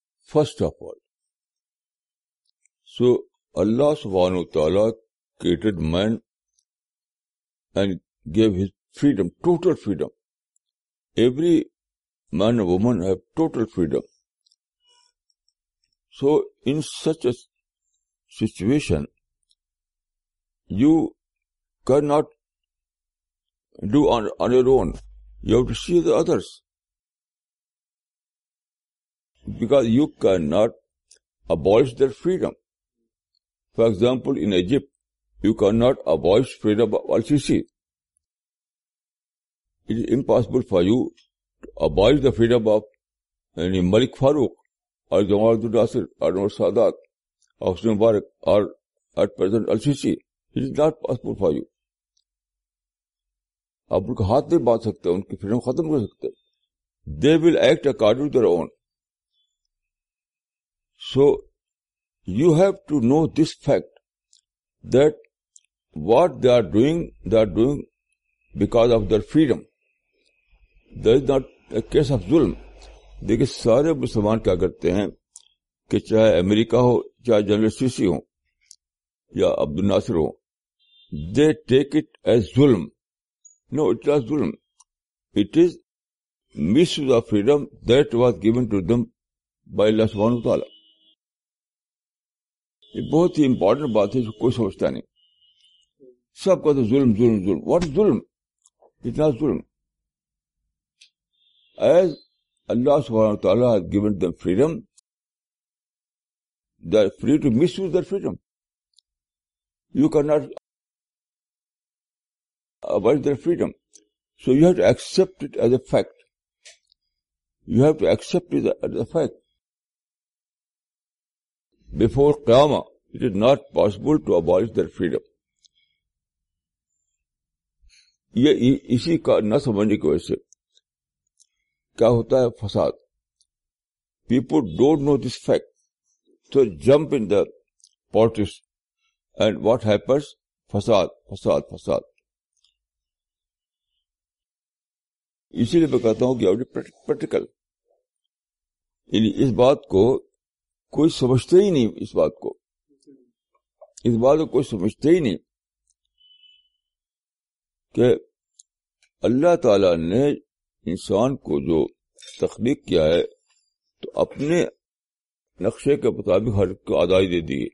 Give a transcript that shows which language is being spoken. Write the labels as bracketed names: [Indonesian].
[English] First of all, so Allah सुभान व तआला created man and gave his freedom, total freedom. Every man and woman have total freedom. So in such a situation you cannot do on your own. You have to see the others. Because you cannot abolish their freedom. For example, in Egypt, you cannot abolish freedom of Al-Sisi. It is impossible for you to abolish the freedom of any Malik Farooq, or Jamal Abdul Nasser, or Anwar Sadat, or Hosni Mubarak, or at present Al-Sisi. It is not possible for you. [Urdu] آپ ان کے ہاتھ نہیں باندھ سکتے, ان کی freedom ختم کر سکتے. [English] They will act according to their own. So you have to know this fact that what they are doing because of their freedom. That is not a case of ظلم. [Urdu] دیکھیے, سارے مسلمان کیا کرتے ہیں کہ چاہے امریکہ ہو, چاہے جنرل سیسی ہو یا عبد الناصر ہو, [English] they take it as [Urdu] ظلم. [English] No, it was ظلم. It is misuse of freedom that was given to them by Allah subhanahu wa ta'ala. [Urdu] یہ بہت ہی امپورٹنٹ بات ہے جو کوئی سمجھتا نہیں. سب کہتے [English] ظلم ظلم ظلم. واٹ از ظلم؟ اٹ ناز ظلم. ایز اللہ سبحانہ وتعالیٰ has given them freedom, they are free to misuse their freedom. You can not avoid their freedom. So you have to accept it as a fact. You have to accept it as a fact. Before Qiyamah, it is not possible to abolish their freedom. [Urdu] یہ اسی کا نہ سمجھنے کی وجہ سے کیا ہوتا ہے فساد. [English] People don't know this fact. So jump in the politics and what happens? [Urdu] فساد فساد فساد. اسی لیے میں کہتا ہوں کہ پریکٹیکل, یعنی اس بات کو کوئی سمجھتے ہی نہیں. اس بات کو کوئی سمجھتے ہی نہیں کہ اللہ تعالی نے انسان کو جو تخلیق کیا ہے تو اپنے نقشے کے مطابق ہر کو آزادی دے دی.